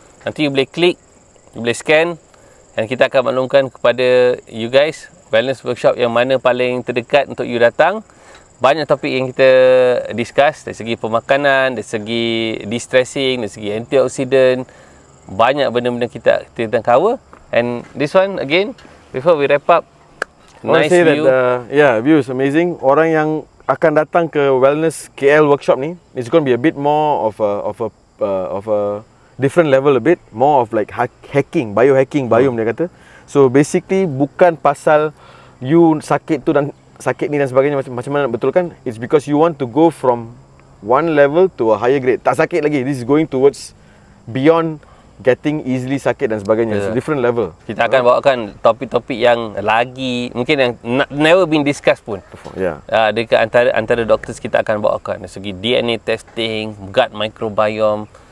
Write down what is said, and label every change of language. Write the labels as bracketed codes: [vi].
[ms] Nanti you boleh klik, you boleh scan, dan kita akan maklumkan kepada you guys wellness workshop yang mana paling terdekat untuk you datang. Banyak topik yang kita discuss dari segi pemakanan, dari segi de-stressing, dari segi antioksidan. Banyak benda-benda kita tentang cover. [en] And this one again, before we wrap up, nice view. View is amazing. [ms] Orang yang akan datang ke wellness KL workshop ni, [en] it's going to be a bit more of a different level, a bit more of like hacking, biohacking, [ms] dia kata. [en] So basically [ms] bukan pasal you sakit tu dan sakit ni dan sebagainya, macam mana nak betulkan? [en] It's because you want to go from one level to a higher grade. [ms] Tak sakit lagi. [en] This is going towards beyond getting easily [ms] sakit dan sebagainya. [en] It's a different level. [ms] Kita akan bawakan topik-topik yang lagi mungkin yang [en] never been discussed [ms] pun. Yeah. Dekat antara doktor kita akan bawakan dari segi DNA testing, gut microbiome.